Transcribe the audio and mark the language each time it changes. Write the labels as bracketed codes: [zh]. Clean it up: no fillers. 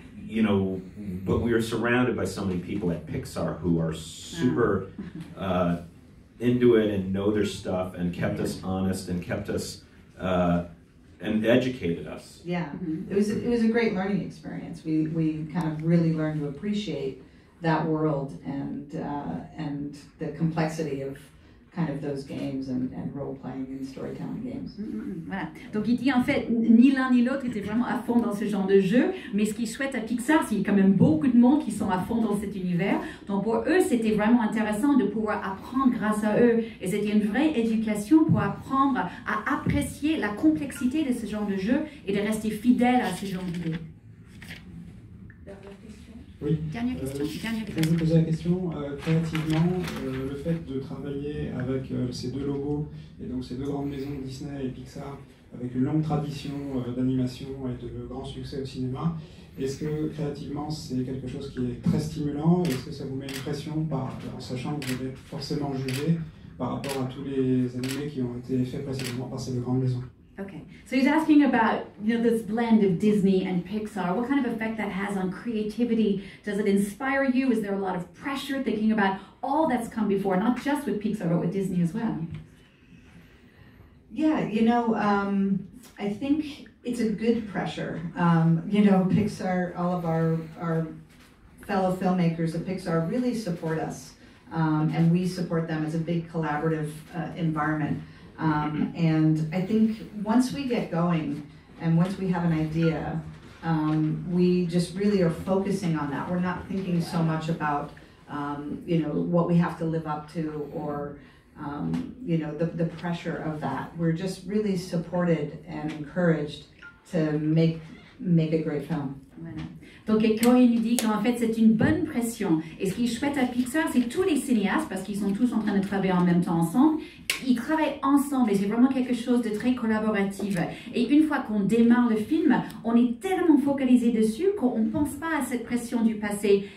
[en] You know, but we are surrounded by so many people at Pixar who are super into it and know their stuff and kept us honest and kept us and educated us. Yeah, it was a great learning experience. We kind of really learned to appreciate that world and the complexity of kind of those games and role-playing and storytelling games. [fr] Mm-hmm. Voilà. Donc il dit en fait, ni l'un ni l'autre était vraiment à fond dans ce genre de jeu, mais ce qu'ils souhaitent à Pixar, c'est qu'il y a quand même beaucoup de monde qui sont à fond dans cet univers. Donc pour eux, c'était vraiment intéressant de pouvoir apprendre grâce à eux. Et c'était une vraie éducation pour apprendre à apprécier la complexité de ce genre de jeu et de rester fidèle à ce genre d'idée. Dernière question. Je vais vous poser la question. Créativement, le fait de travailler avec ces deux logos et donc ces deux grandes maisons, Disney et Pixar, avec une longue tradition d'animation et de grand succès au cinéma, est-ce que créativement c'est quelque chose qui est très stimulant? Est-ce que ça vous met une pression en sachant que vous allez être forcément jugé par rapport à tous les animés qui ont été faits précédemment par ces deux grandes maisons? [en] Okay, so he's asking about, you know, this blend of Disney and Pixar, what kind of effect that has on creativity? Does it inspire you? Is there a lot of pressure thinking about all that's come before, not just with Pixar, but with Disney as well? Yeah, you know, I think it's a good pressure. You know, Pixar, all of our fellow filmmakers at Pixar really support us, and we support them as a big collaborative environment. And I think once we get going and once we have an idea, we just really are focusing on that. We're not thinking so much about, you know, what we have to live up to or, you know, the pressure of that. We're just really supported and encouraged to make a great film. [fr] Donc, Corey nous dit qu'en fait, c'est une bonne pression. Et ce qu'il souhaite à Pixar, c'est que tous les cinéastes, parce qu'ils sont tous en train de travailler en même temps ensemble, ils travaillent ensemble et c'est vraiment quelque chose de très collaboratif. Et une fois qu'on démarre le film, on est tellement focalisé dessus qu'on ne pense pas à cette pression du passé.